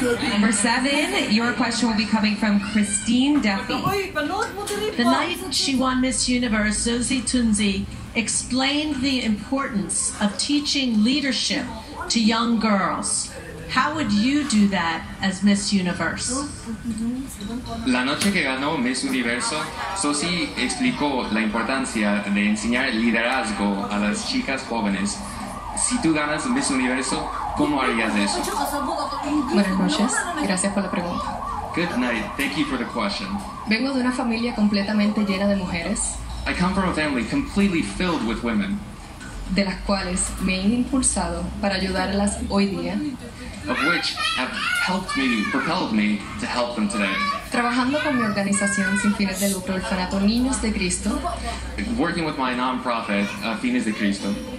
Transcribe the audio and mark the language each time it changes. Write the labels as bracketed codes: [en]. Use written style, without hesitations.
[en] Number seven, your question will be coming from Christine Duffy. The night she won Miss Universe, Zosie Tunzi explained the importance of teaching leadership to young girls. How would you do that as Miss Universe? [es] La noche que ganó Miss Universo, Sosi explicó la importancia de enseñar liderazgo a las chicas jóvenes. Si tú ganas Miss Universo, ¿cómo harías eso? Buenas noches. Gracias por la pregunta. [en] Good night. Thank you for the question. [es] Vengo de una familia completamente llena de mujeres. [en] I come from a family completely filled with women. [es] De las cuales me he impulsado para ayudarlas hoy día. [en] Of which have helped me, propelled me to help them today. [es] Trabajando con mi organización sin fines de lucro, Orfanato Niños de Cristo. [en] Working with my non-profit, Fines de Cristo.